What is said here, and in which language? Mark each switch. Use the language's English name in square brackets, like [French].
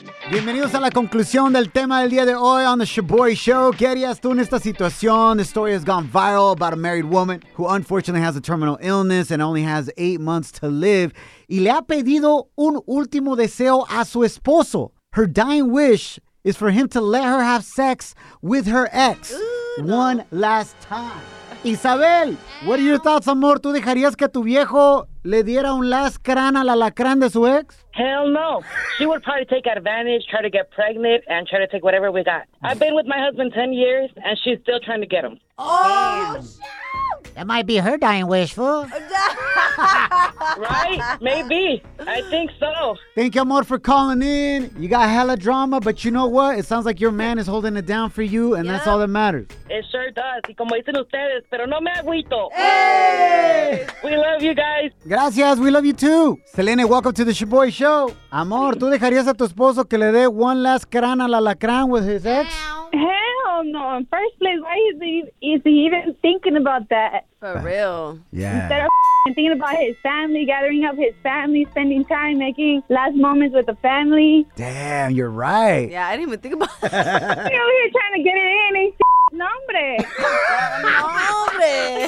[Spanish] Bienvenidos a la conclusión del tema del día de hoy [English] on the Shaboy Show. [Spanish] ¿Qué harías tú en esta situación? [English] The story has gone viral about a married woman who unfortunately has a terminal illness and only has 8 months to live. [Spanish] Y le ha pedido un último deseo a su esposo. [English] Her dying wish is for him to let her have sex with her ex one last time. Isabel, what are your thoughts, amor? [Spanish] ¿Tú dejarías que tu viejo le diera un last crán al alacrán de su ex? [English] Hell no. She would probably take advantage, try to get pregnant, and try to take whatever we got. I've been with my husband 10 years, and she's still trying to get him. Oh, shit! That might be her dying wish, fool. Right? Maybe. I think so. Thank you, amor, for calling in. You got hella drama, but you know what? It sounds like your man is holding it down for you, and that's all that matters. It sure does. [Spanish] Y como dicen ustedes, pero no me agüito. [English] Hey! We love you guys. Gracias. We love you, too. Selene, welcome to the Shaboy Show. [Spanish] Amor, ¿tú dejarías a tu esposo que le dé one last crán al alacrán [English] with his ex? Hell no. In first place, why is he even thinking about that? For real. Yeah. Instead of thinking about his family, gathering up his family, spending time, making last moments with the family. Damn, you're right. Yeah, I didn't even think about it. You know, you're trying to get it in and nombre.